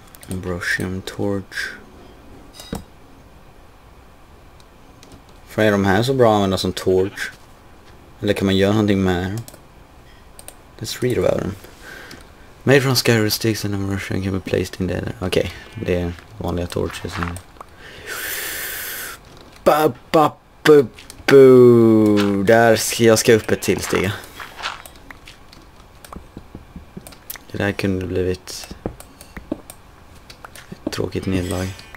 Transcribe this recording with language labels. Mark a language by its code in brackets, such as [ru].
[en] Ambrosium torch. [sv] För är de här så bra att använda som torch? Eller kan man göra någonting med dem? [en] Let's read about them. Made from scary sticks and ammunition can be placed in there. [sv] Okej, det är vanliga torches. Ba ba bu bu. Där ska jag upp ett till steg. Det där kunde blivit ett tråkigt nedlag.